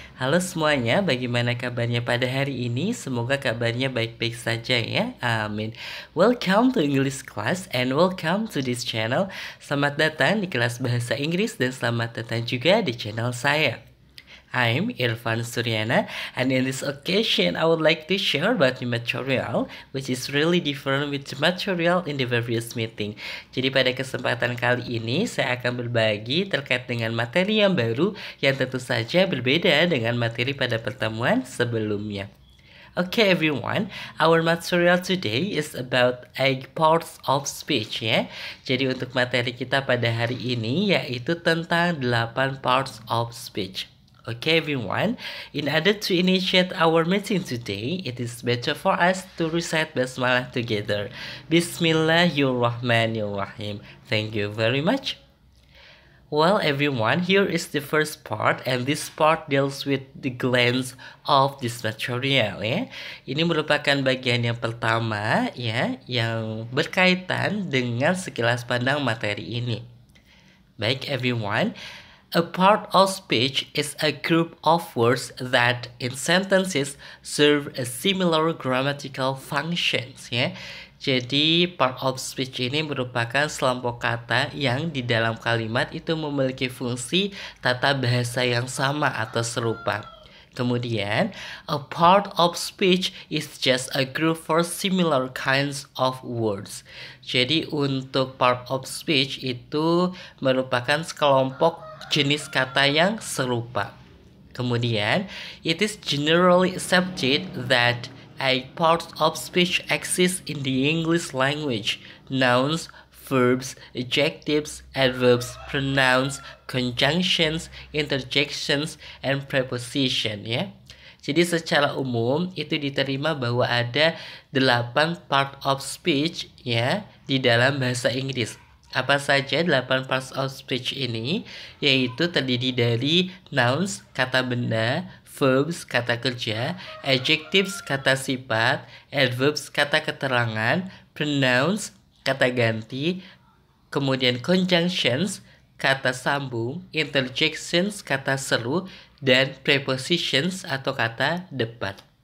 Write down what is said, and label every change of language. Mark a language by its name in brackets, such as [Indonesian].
[Indonesian] Halo semuanya, bagaimana kabarnya pada hari ini? Semoga kabarnya baik-baik saja ya. Amin. [English] Welcome to English class and welcome to this channel. [Indonesian] Selamat datang di kelas bahasa Inggris dan selamat datang juga di channel saya. [English] I'm Irfan Suryana, and in this occasion, I would like to share about new material, which is really different with the material in the various meeting. [Indonesian] Jadi pada kesempatan kali ini, saya akan berbagi terkait dengan materi yang baru, yang tentu saja berbeda dengan materi pada pertemuan sebelumnya. [English] Okay everyone, our material today is about 8 parts of speech ya. [Indonesian] Jadi untuk materi kita pada hari ini, yaitu tentang 8 parts of speech. [English] Okay everyone, in order to initiate our meeting today, it is better for us to recite basmalah together. [Arabic] Bismillahirrahmanirrahim. [English] Thank you very much. Well everyone, here is the first part, and this part deals with the glands of this material ya. [Indonesian] Ini merupakan bagian yang pertama ya, yang berkaitan dengan sekilas pandang materi ini. Baik [English] everyone, a part of speech is a group of words that in sentences serve a similar grammatical functions ya. [Indonesian] Jadi part of speech ini merupakan sekelompok kata yang di dalam kalimat itu memiliki fungsi tata bahasa yang sama atau serupa. Kemudian, [English] a part of speech is just a group for similar kinds of words. [Indonesian] Jadi untuk part of speech itu merupakan sekelompok jenis kata yang serupa. Kemudian, [English] it is generally accepted that 8 parts of speech exist in the English language. Nouns, verbs, adjectives, adverbs, pronouns, conjunctions, interjections, and preposition ya. [Indonesian] Jadi secara umum itu diterima bahwa ada 8 part of speech ya di dalam bahasa Inggris. Apa saja 8 parts of speech ini? Yaitu terdiri dari nouns, kata benda, verbs, kata kerja, adjectives, kata sifat, adverbs, kata keterangan, pronouns, kata ganti, kemudian conjunctions, kata sambung, interjections, kata seru, dan prepositions atau kata depan.